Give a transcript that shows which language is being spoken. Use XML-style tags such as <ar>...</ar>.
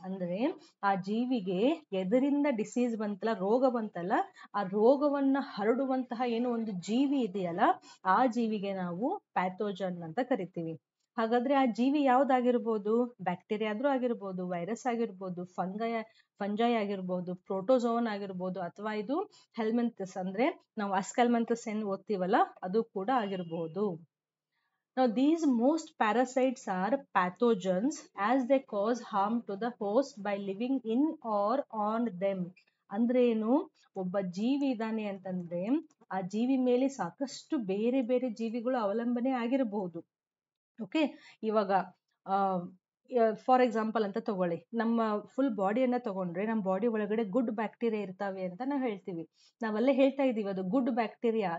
<kn>ಅಂದ್ರೆ ಆ ಜೀವಿಗೆ ಎದರಿಂದ ಡಿಸೀಸ್ ಬಂತಲ್ಲ, ರೋಗ ಬಂತಲ್ಲ, ಆ ರೋಗವನ್ನ ಹರಡುವಂತಹ ಏನು ಒಂದು ಜೀವಿ ಇದೆಯಲ್ಲ, ಆ ಜೀವಿಗೆ ನಾವು ಪ್ಯಾಥೋಜನ್ ಅಂತ ಕರಿತೀವಿ. ಹಾಗಾದ್ರೆ ಆ ಜೀವಿ ಯಾವ್ದಾಗಿರ್ಬೋದು? ಬ್ಯಾಕ್ಟೀರಿಯಾ ಆದ್ರೂ ಆಗಿರ್ಬೋದು, ವೈರಸ್ ಆಗಿರ್ಬೋದು, ಫಂಜೈ ಆಗಿರ್ಬೋದು, ಪ್ರೋಟೋಜೋನ್ ಆಗಿರ್ಬೋದು, ಅಥವಾ ಇದು ಹೆಲ್ಮೆಂಥಸ್, ಅಂದ್ರೆ ನಾವು ಅಸ್ಕಲ್ಮೆಂಥಸ್ ಏನ್ ಓದ್ತೀವಲ್ಲ ಅದು ಕೂಡ ಆಗಿರ್ಬೋದು.</kn> <en>Now these most parasites are pathogens as they cause harm to the host by living in or on them.</en> <kn>ಅಂದ್ರೆ ಏನು, ಒಬ್ಬ ಜೀವಿ ಇದ್ದಾನೆ ಅಂತಂದ್ರೆ ಆ ಜೀವಿ ಮೇಲೆ ಸಾಕಷ್ಟು ಬೇರೆ ಬೇರೆ ಜೀವಿಗಳು ಅವಲಂಬನೆ ಆಗಿರಬಹುದು. ಓಕೆ, ಇವಾಗ ಫಾರ್ ಎಕ್ಸಾಂಪಲ್ ಅಂತ ತಗೊಳ್ಳಿ, ನಮ್ಮ ಫುಲ್ ಬಾಡಿಯನ್ನ ತಗೊಂಡ್ರೆ ನಮ್ಮ ಬಾಡಿ ಒಳಗಡೆ ಗುಡ್ ಬ್ಯಾಕ್ಟೀರಿಯಾ ಇರ್ತಾವೆ ಅಂತ ನಾವು ಹೇಳ್ತೀವಿ, ನಾವಲ್ಲೇ ಹೇಳ್ತಾ ಇದ್ದೀವಿ ಅದು ಗುಡ್ ಬ್ಯಾಕ್ಟೀರಿಯಾ.</kn>